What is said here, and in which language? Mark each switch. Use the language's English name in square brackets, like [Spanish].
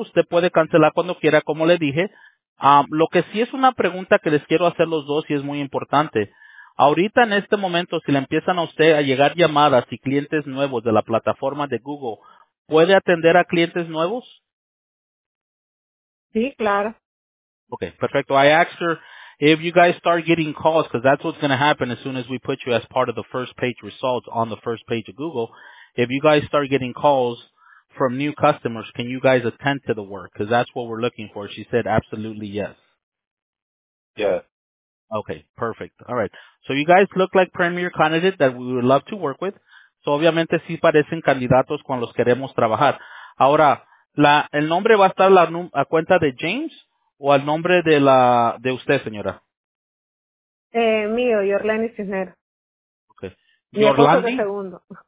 [Spanish] Usted puede cancelar cuando quiera, como le dije. Lo que sí es una pregunta que les quiero hacer los dos y es muy importante. Ahorita, en este momento, si le empiezan a usted a llegar llamadas y clientes nuevos de la plataforma de Google, ¿puede atender a clientes nuevos? Sí, claro. Okay, perfecto. [English] I asked her, if you guys start getting calls, because that's what's going to happen as soon as we put you as part of the first page results on the first page of Google, if you guys start getting calls from new customers, can you guys attend to the work? Because that's what we're looking for. She said absolutely yes. Yes. Okay, perfect. All right. So you guys look like premier candidate that we would love to work with. [Spanish] So obviamente sí parecen candidatos con los queremos trabajar. Ahora, el nombre va a estar a cuenta de James o al nombre de de usted, señora? Mío, Yorlani Cisnero. [English] Okay. Yorlani. [Spanish] Segundo.